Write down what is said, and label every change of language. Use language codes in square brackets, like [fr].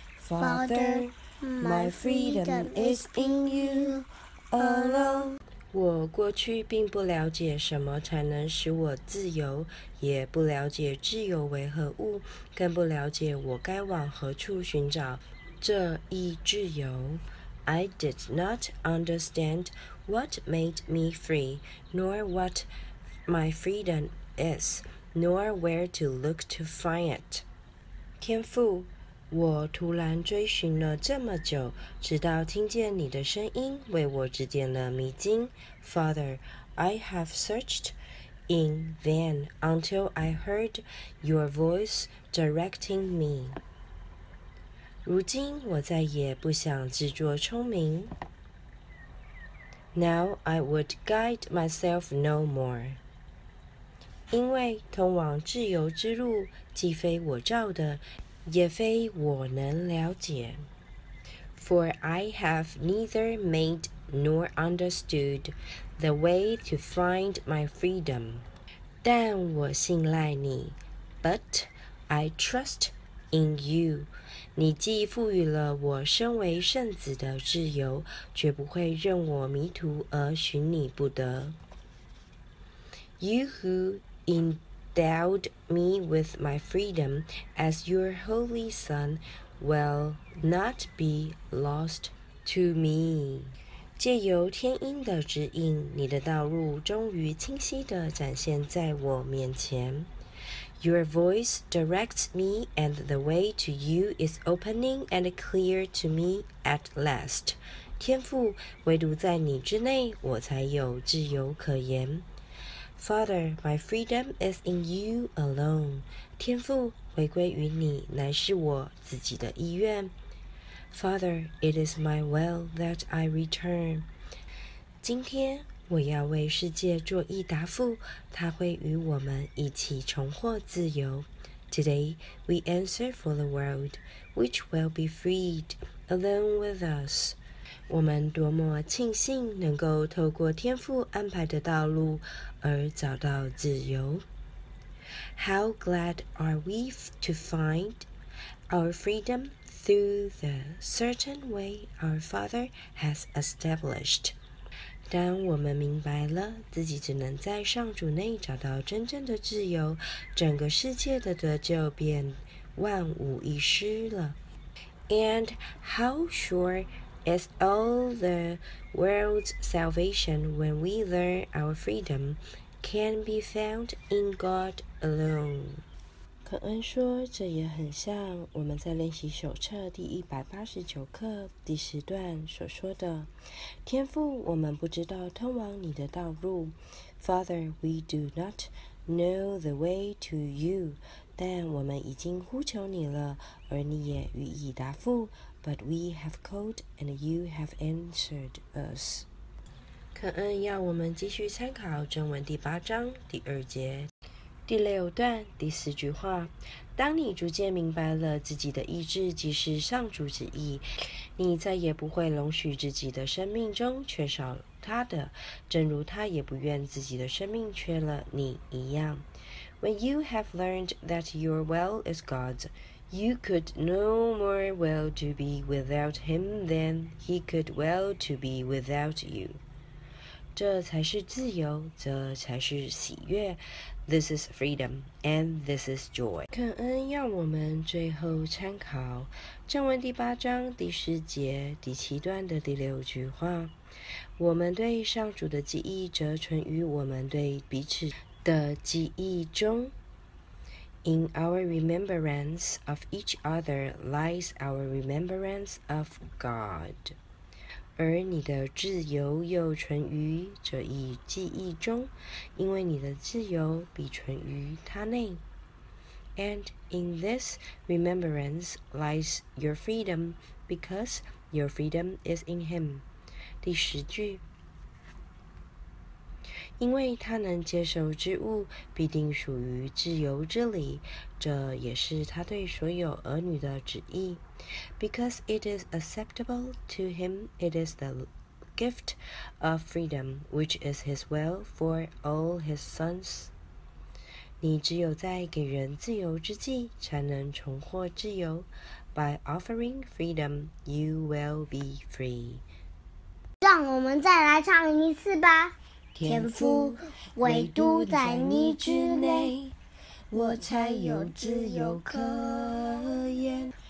[en] Father, my freedom is in you alone. [zh] 我过去并不了解什么才能使我自由，也不了解自由为何物，更不了解我该往何处寻找这一自由。 [en] I did not understand what made me free, nor what my freedom is, nor where to look to find it. [zh] 天父，我突然追寻了这么久，直到听见你的声音为我指点了迷津。 [en] Father, I have searched in vain until I heard your voice directing me. [zh] 如今我再也不想自作聪明。 [en] Now I would guide myself no more. [zh] 因为通往自由之路既非我造的，也非我能了解。 [en] For I have neither made nor understood the way to find my freedom. [zh] 但我信赖你。 [en] But I trust in you. [zh] 你既赋予了我身为圣子的自由，绝不会任我迷途而寻你不得。 [en] You who endowed me with my freedom as your holy son will not be lost to me. [zh] 借由天音的指引，你的道路终于清晰地展现在我面前。 [en] Your voice directs me and the way to you is opening and clear to me at last. [zh] 天父，唯独在你之内，我才有自由可言。 [en] Father, my freedom is in you alone. [zh] 天父，回归于你乃是我自己的意愿。 [en] Father, it is my will that I return. [zh] 今天我要为世界做一答复，他会与我们一起重获自由。 [en] Today, we answer for the world, which will be freed alone with us. [zh] 我们多么庆幸能够透过天父安排的道路而找到自由。 [en] How glad are we to find our freedom through the certain way our Father has established. [zh] 当我们明白了自己只能在上主内找到真正的自由，整个世界的得救便万无一失了。 [en] And how sure is all the world's salvation when we learn our freedom can be found in God alone. [zh] 肯恩说，这也很像我们在练习手册第189课第十段所说的，天父，我们不知道通往你的道路。 [en] Father, we do not know the way to you. [zh] 但我们已经呼求你了，而你也予以答复。 [en] But we have called and you have answered us. [zh] 肯恩要我们继续参考正文第八章第二节第六段第四句话，当你逐渐明白了自己的意志即是上主旨意，你再也不会容许自己的生命中缺少他的，正如他也不愿自己的生命缺了你一样。 [en] When you have learned that your will is God's,You could no more will to be without him than he could will to be without you. [zh] 这才是自由，这才是喜悦。 [en] This is freedom, and this is joy. [zh] 肯恩要我们最后参考正文第八章第十节第七段的第六句话，我们对上主的记忆则存于我们对彼此的记忆中。 [en] In our remembrance of each other lies our remembrance of God. [zh] 而你的自由又存于这一记忆中，因为你的自由必存于他内。 [en] And in this remembrance lies your freedom, because your freedom is in him. [zh] 第十句，因为他能接受之物必定属于自由之理，这也是他对所有儿女的旨意。 [en] Because it is acceptable to him, it is the gift of freedom, which is his will for all his sons. [zh] 你只有在给人自由之际才能重获自由。 [en] By offering freedom, you will be free. [zh] 让我们再来唱一次吧。天父，唯独在你之内，我才有自由可言。